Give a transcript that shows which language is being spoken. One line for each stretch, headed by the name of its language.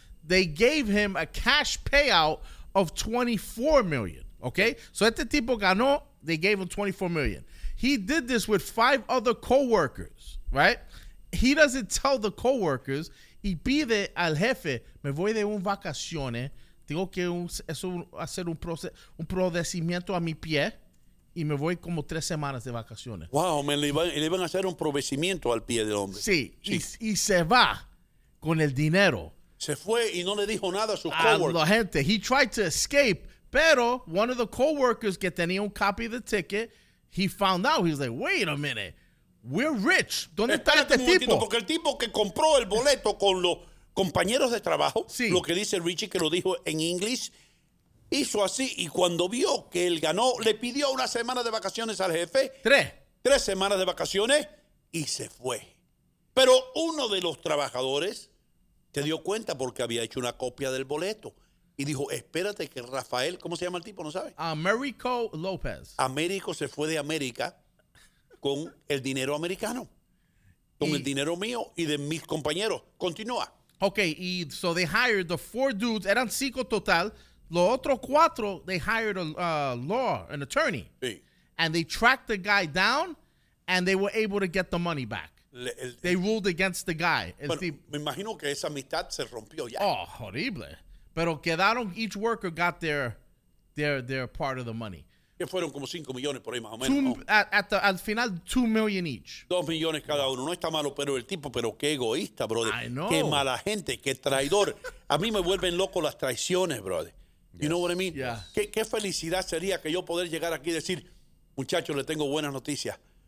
English: They gave him a cash payout of $24 million. Okay? So
Spanish: este tipo ganó,
English: they gave him $24 million. He did this with 5 other co-workers, right? He doesn't tell the coworkers.
Spanish: Y pide al jefe, me voy de un vacaciones. Tengo que hacer un procedimiento a mi pie. Y me voy como 3 semanas de vacaciones.
English: Wow, man,
Spanish: le iban a hacer un procedimiento al pie del hombre. Sí, sí. Y se va con el dinero. Se fue y no le dijo nada a sus coworkers. A la gente.
English: He tried to escape, Pero one of the co-workers
Spanish: que tenía un
English: copy of the ticket, he found out. He's like, wait a minute. We're rich.
Spanish: ¿Dónde está este tipo? Porque el tipo que compró el boleto con los compañeros de trabajo, sí, lo que dice Richie, que lo dijo en inglés, hizo así. Y cuando vio que él ganó, le pidió una semana de vacaciones al jefe. Tres semanas de vacaciones y se fue. Pero uno de los trabajadores se dio cuenta porque había hecho una copia del boleto. Y dijo, espérate que Rafael, ¿cómo se llama el tipo? ¿No sabe? Américo López. Américo se fue de América con el dinero americano. Con el dinero mío y de mis compañeros. Continúa.
English: Ok, y so they hired the four dudes.
Spanish: Eran cinco total. Los otros cuatro,
English: they hired an attorney.
Spanish: Sí.
English: And they tracked the guy down and they were able to get the money back. They ruled against the guy.
Spanish: Bueno, me imagino que esa amistad se rompió ya.
English: Oh, horrible.
Spanish: Pero quedaron,
English: each worker got their part of the money.
Spanish: Que fueron como 5 millones por ahí más o menos. Al final, 2 million each. 2 millones cada uno. No está malo, pero el tipo, pero qué egoísta, brother.
English: I know.
Spanish: Qué mala gente, qué traidor. A mí me vuelven loco las traiciones, brother.
English: You yes. know what I mean? Yeah.
Spanish: Qué felicidad sería que yo poder llegar aquí y decir, muchachos, le tengo buenas noticias.